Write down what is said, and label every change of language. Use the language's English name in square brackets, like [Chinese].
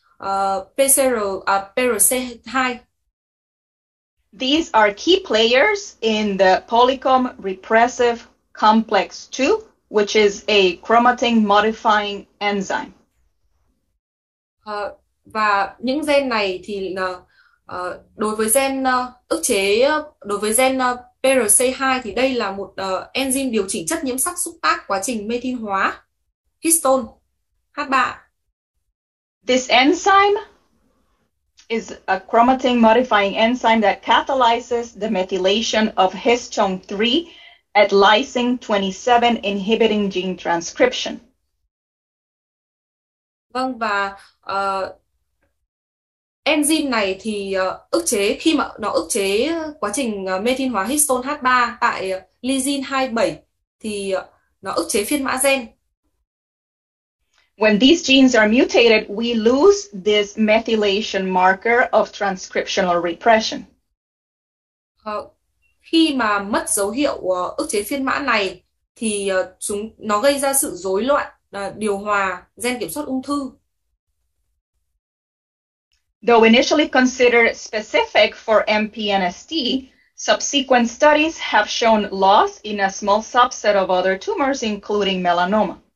[English] PCR, These are key players in the polycomb repressive complex 2, which is a chromatin modifying enzyme. [Vietnamese] và những gen này thì là đối với gen ức chế đối với gen PRC2 thì đây là một enzyme điều chỉnh chất nhiễm sắc xúc tác quá trình methyl hóa histone H3. [English] This enzyme is a chromatin modifying enzyme that catalyzes the methylation of histone 3 at lysine 27 inhibiting gene transcription. [Vietnamese] Vâng, và enzyme này thì ức chế khi mà nó ức chế quá trình methyl hóa histone H3 tại lysine 27 thì nó ức chế phiên mã gen. [English] When these genes are mutated, we lose this methylation marker of transcriptional repression. [Vietnamese] Khi mà mất dấu hiệu ức chế phiên mã này thì nó gây ra sự rối loạn điều hòa gen kiểm soát ung thư. [English] Though initially considered specific for MPNST, subsequent studies have shown loss in a small subset of other tumors, including melanoma.